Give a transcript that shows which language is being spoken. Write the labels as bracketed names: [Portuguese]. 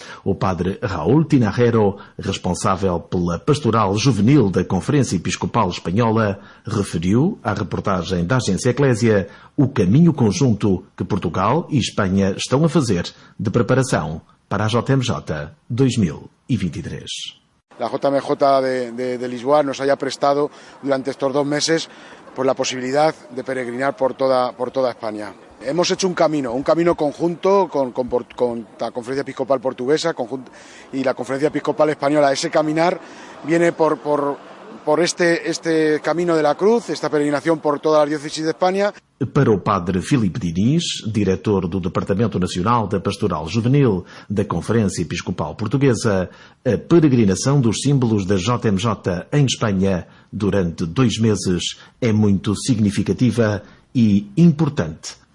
[Portuguese] O padre Raúl Tinajero, responsável pela pastoral juvenil da Conferência Episcopal Espanhola, referiu à reportagem da Agência Eclésia o caminho conjunto que Portugal e Espanha estão a fazer de preparação para a JMJ 2023. [Spanish] La JMJ de Lisboa nos haya prestado durante estos dos meses por la posibilidad de peregrinar por toda España. Hemos hecho un camino conjunto con la Conferencia Episcopal Portuguesa y la Conferencia Episcopal Española. Ese caminar viene por este camino de la cruz, esta peregrinación por toda la diócesis de España. [Portuguese] Para o padre Filipe Diniz, diretor do Departamento Nacional da Pastoral Juvenil da Conferência Episcopal Portuguesa, a peregrinação dos símbolos da JMJ em Espanha durante dois meses é muito significativa e importante.